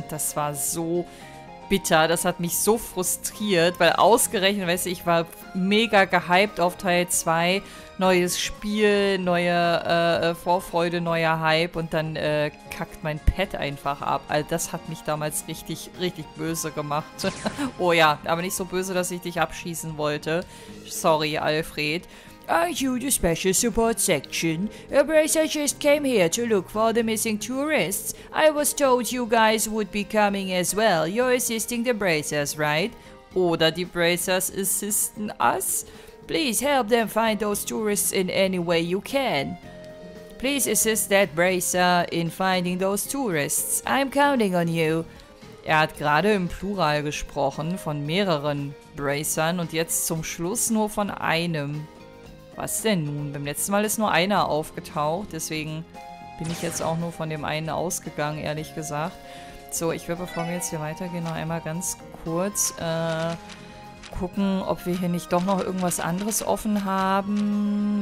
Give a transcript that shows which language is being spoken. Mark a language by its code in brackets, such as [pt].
[de] Und das war so bitter, das hat mich so frustriert, weil ausgerechnet, weißt du, ich war mega gehypt auf Teil 2, neues Spiel, neue Vorfreude, neuer Hype und dann kackt mein Pad einfach ab. Also das hat mich damals richtig, richtig böse gemacht. Oh ja, aber nicht so böse, dass ich dich abschießen wollte. [en] Sorry, Alfred. Are you the special support section? Abraza just came here to look for the missing tourists. I was told you guys would be coming as well. You're assisting the Abrazas, right? [de] Oder die Abrazas assisten us? [en] Please help them find those tourists in any way you can. Please assist that Abrazas in finding those tourists. I'm counting on you. [de] Er hat gerade im Plural gesprochen von mehreren Abrazas und jetzt zum Schluss nur von einem. Was denn nun? Beim letzten Mal ist nur einer aufgetaucht, deswegen bin ich jetzt auch nur von dem einen ausgegangen, ehrlich gesagt. So, ich will, bevor wir jetzt hier weitergehen, noch einmal ganz kurz gucken, ob wir hier nicht doch noch irgendwas anderes offen haben.